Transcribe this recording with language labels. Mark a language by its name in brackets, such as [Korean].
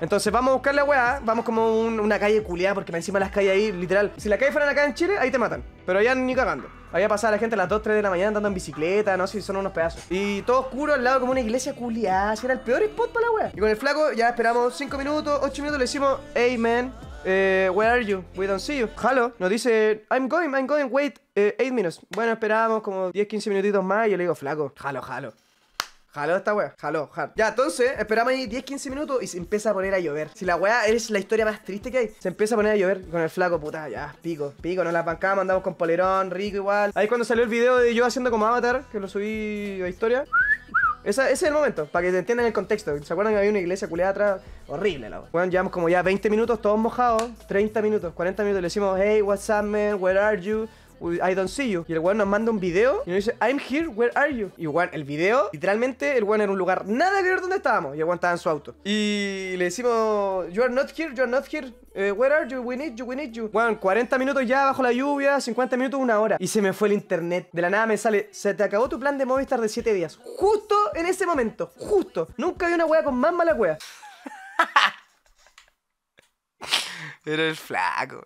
[Spanish] Entonces vamos a buscar la weá. Vamos como una calle culiada, porque encima las calles ahí, literal, si las calles fueran acá en Chile, ahí te matan. Pero allá ni cagando. Había pasado la gente a las 2, 3 de la mañana andando en bicicleta, no sé, si son unos pedazos. Y todo oscuro al lado, como una iglesia culiada. Si era el peor spot para la weá. Y con el flaco ya esperamos 5 minutos, 8 minutos. Le decimos, [English] hey man, where are you? We don't see you. Hello. [Spanish] Nos dice, [English] I'm going, wait 8 minutes. [Spanish] Bueno, esperamos como 10, 15 minutitos más. Y yo le digo, flaco, jalo. Jaló esta wea, jaló. Ya, entonces, esperamos ahí 10-15 minutos y se empieza a poner a llover. Si la wea es la historia más triste que hay, se empieza a poner a llover con el flaco, puta, ya, pico. Nos la bancamos, andamos con polerón, rico igual. Ahí cuando salió el video de yo haciendo como avatar, que lo subí a historia. Ese es el momento, para que se entiendan el contexto. ¿Se acuerdan que había una iglesia culiada atrás? Horrible la wea. Bueno, llevamos como ya 20 minutos, todos mojados. 30 minutos, 40 minutos, le decimos, [English] hey, what's up, man, where are you? I don't see you. [Spanish] Y el weón nos manda un video y nos dice, [English] I'm here, where are you? [Spanish] Y weón, el video, literalmente, el weón era un lugar nada que ver donde estábamos. Y el weón estaba en su auto. Y le decimos, [English] You are not here. Where are you? We need you. [Spanish] Weón, 40 minutos ya bajo la lluvia, 50 minutos, una hora. Y se me fue el internet. De la nada me sale, se te acabó tu plan de Movistar de 7 días. Justo en ese momento, justo. Nunca vi una wea con más mala wea. Pero el flaco.